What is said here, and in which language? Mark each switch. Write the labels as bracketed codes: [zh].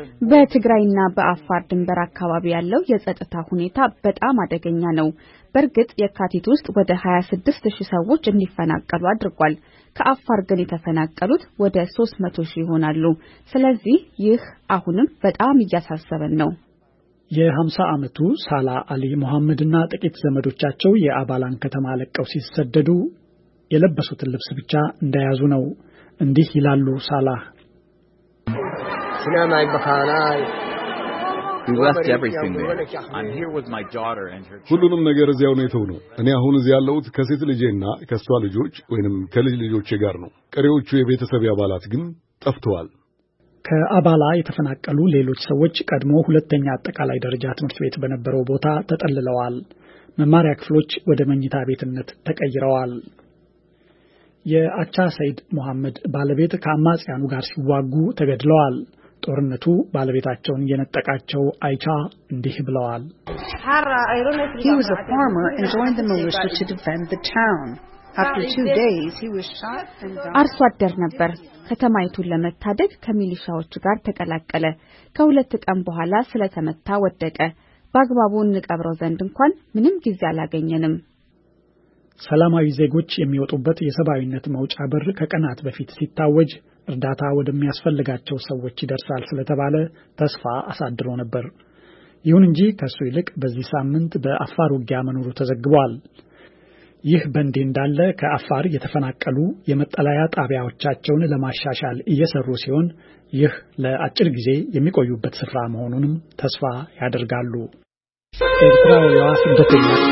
[am] በትግራይና በአፋር ድንበር አካባቢ ያለው የጸጥታ ሁኔታ በጣም አደገኛ ነው። በርግጥ የካቲት ውስጥ ወደ 26000 ሰዎች እንዲፈናቀሉ አድርጓል። ከአፋር ግን የተፈናቀሉት ወደ 300000 ይሆናሉ። ስለዚህ ይህ አሁንም በጣም እያሳሰበን ነው። የ50 አመቱ ሳላ አሊ መሐመድና ጥቂት ዘመዶቻቸው የአባላን ከተማ ለቀው ሲሰደዱ የለበሱት ልብስ ብቻ እንደያዙ ነው። እንዲህ ይላሉ ሳላ። Sinama ibkhana [en] We left everything there. I'm here with my daughter and her [am] ሁሉንም ነገር እዚያው ነው የተውነው። እኔ አሁን እዚያ ያለሁት ከሴት ልጅና ከሷ ልጆች ወይንም ከልጅ ልጆች ጋር ነው። ቀሪዎቹ የቤተሰብ አባላት ግን ጠፍተዋል። ከአባላ የተፈናቀሉ ሌሎች ሰዎች ቀድሞ ሁለተኛ አጠቃላይ ደረጃ ትምህርት ቤት በነበረው ቦታ ተጠልለዋል። መማሪያ ክፍሎች ወደ መኝታ ቤትነት ተቀይረዋል። የአቻ ሰይድ መሐመድ ባለቤት ከአማጽያኑ ጋር ሲዋጉ ተገድለዋል። ጦርነቱ ባለቤታቸውን የነጠቃቸው አይቻ እንዲህ ብለዋል። [en] He was a farmer and joined the militia to defend the town. After 2 days he was shot and died. [am] አርሶ አደር ነበር። ከተማይቱን ለመታደግ ከሚሊሻዎች ጋር ተቀላቀለ። ከሁለት ቀን በኋላ ስለተመታ ወደቀ። ባግባቡን ንቀብረው ዘንድ እንኳን ምንም ጊዜ አላገኘንም። ሰላማዊ ዜጎች የሚወጡበት የሰብአዊነት መውጫ በር ከቀናት በፊት ሲታወጅ እርዳታ ወደሚያስፈልጋቸው ሰዎች ይደርሳል ስለተባለ ተስፋ አሳድሮ ነበር። ይሁን እንጂ ከሱ ይልቅ በዚህ ሳምንት በአፋር ውጊያ መኖሩ ተዘግቧል። ይህ በእንዲህ እንዳለ ከአፋር የተፈናቀሉ የመጠለያ ጣቢያዎቻቸውን ለማሻሻል እየሰሩ ሲሆን ይህ ለአጭር ጊዜ የሚቆዩበት ስፍራ መሆኑንም ተስፋ ያደርጋሉ። ኤርትራውያ ስደተኛ